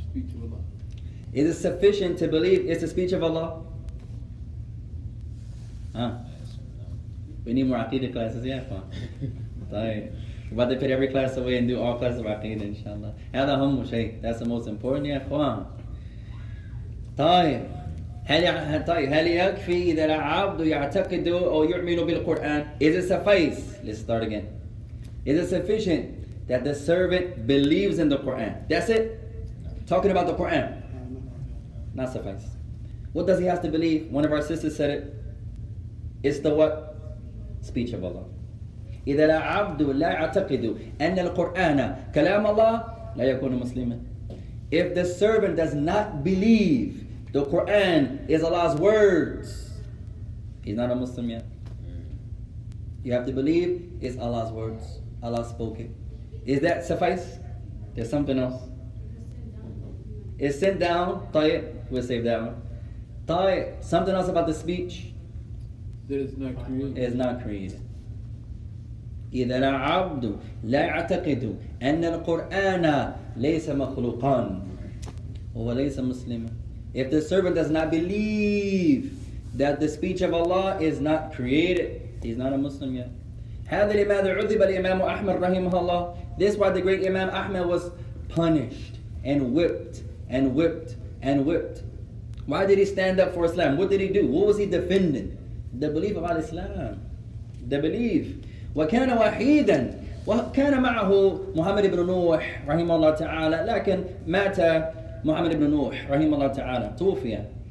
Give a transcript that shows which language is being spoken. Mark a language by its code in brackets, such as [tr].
[en] Speech of Allah. Is it sufficient to believe it's the speech of Allah? Huh? We need more aqidah classes, yeah, fam. We're about to put every class away and do all classes of aqidah, inshallah. هذا هم شيء. That's the most important, yeah, fam. طيب. [ar] هل يكفي إذا العبد يعتقد أو يؤمن بالقرآن؟ Is it suffice? [en] Let's start again. Is it sufficient that the servant believes in the Quran? That's it? Talking about the Quran? Not suffice. What does he have to believe? One of our sisters said it. It's the what? Speech of Allah. [ar] إذا العبد لا يعتقد أن القرآن كلام الله لا يكون مسلما. [en] If the servant does not believe the Quran is Allah's words, he's not a Muslim yet. You have to believe it's Allah's words. Allah spoke it. Is that suffice? There's something else. It's sent down. طيب. We'll save that one. طيب. Something else about the speech. It is not created. [ar] إذا العبد لا يعتقد أن القرآن ليس مخلوقاً هو ليس مسلماً. [en] If the servant does not believe that the speech of Allah is not created, he's not a Muslim yet. [ar] هذا لماذا عذب الإمام أحمد رحمه الله. [en] This is why the great Imam Ahmad was punished and whipped and whipped and whipped. Why did he stand up for Islam? What did he do? What was he defending? The belief of Islam. The belief. [ar] وكان وحيدا وكان معه محمد بن نوح رحمه الله تعالى لكن مات محمد بن نوح رحمه الله تعالى توفي.